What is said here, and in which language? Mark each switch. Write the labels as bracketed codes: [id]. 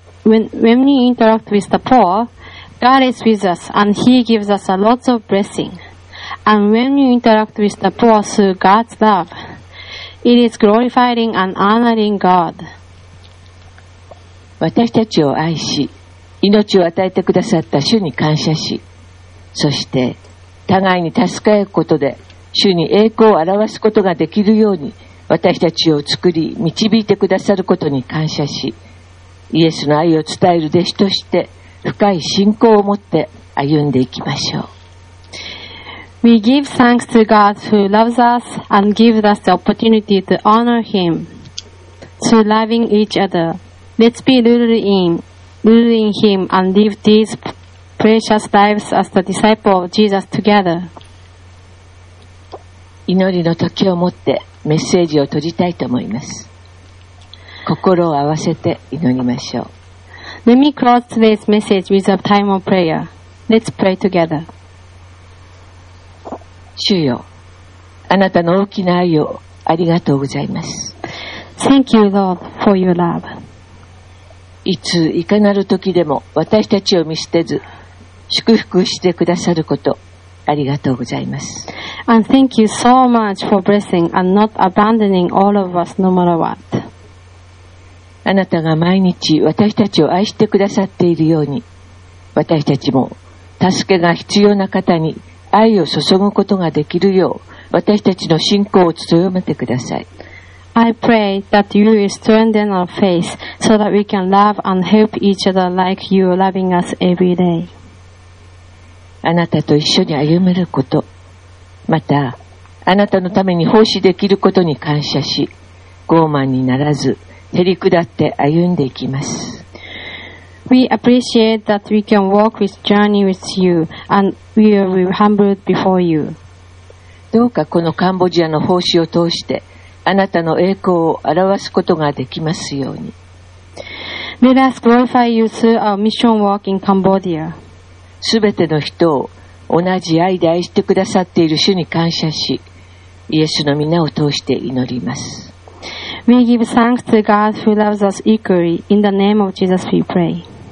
[en] When we interact with the poor, God is with us and He gives us a lot of blessing. And when you interact with the poor through God's love, it is glorifying and honoring God. [ja] 私たちを愛し、命を与えてくださった主に感謝し、そして互いに助け合うことで主に栄光を表すことができるように私たちを作り導いてくださることに感謝し、イエスの愛を伝える弟子として深い信仰を持って歩んでいきましょう。 [en] We give thanks to God who loves us and gives us the opportunity to honor Him. Through loving each other, let's be rooted in Him and live these precious lives as the disciple of Jesus together. [ja] 祈りの時を持ってメッセージを閉じたいと思います。心を合わせて祈りましょう。 [en] Let me close today's message with a time of prayer. Let's pray together. [ja] 主よ、あなたの大きな愛をありがとうございます。 [en] Thank you, Lord, for your love. [ja] いついかなる時でも私たちを見捨てず、祝福してくださること、ありがとうございます。 [en] And thank you so much for blessing and not abandoning all of us no matter what. [ja] あなたが毎日私たちを愛してくださっているように、私たちも助けが必要な方に、愛を注ぐことができるよう私たちの信仰を強めてください。 [en] I pray that you will strengthen our faith so that we can love and help each other like you are loving us every day. [ja] あなたと一緒に歩めること、またあなたのために奉仕できることに感謝し、傲慢にならず、へりくだって歩んでいきます。 [en] We appreciate that we can walk this journey with you and we are humbled before you. [ja] どうかこのカンボジアの奉仕を通してあなたの栄光を表すことができますように。 [en] Let us glorify you through our mission work in Cambodia. [ja] すべての人を同じ愛で愛してくださっている主に感謝し、イエスの皆を通して祈ります。 [en] We give thanks to God who loves us equally. In the name of Jesus we pray.